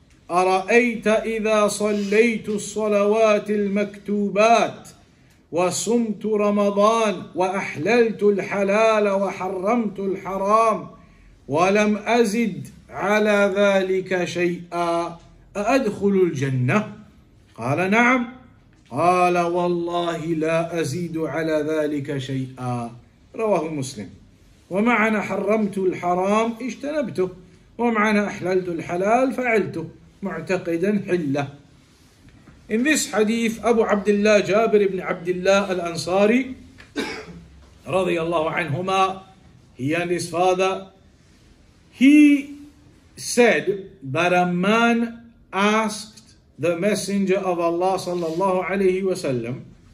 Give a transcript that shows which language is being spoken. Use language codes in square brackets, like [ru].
[ar] ara'ayta idha sallaytu as-salawat al-maktubat وصمت رمضان وأحللت الحلال وحرمت الحرام ولم أزد على ذلك شيئا أأدخل الجنة؟ قال نعم. قال والله لا أزيد على ذلك شيئا. رواه مسلم. ومعنى حرمت الحرام اجتنبته, ومعنى أحللت الحلال فعلته معتقدا حله. [en] In this hadith, Abu Abdullah Jabir ibn Abdullah al-Ansari radiyallahu anhuma, he and his father, he said that a man asked the messenger of Allah sallallahu alayhi wa sallam,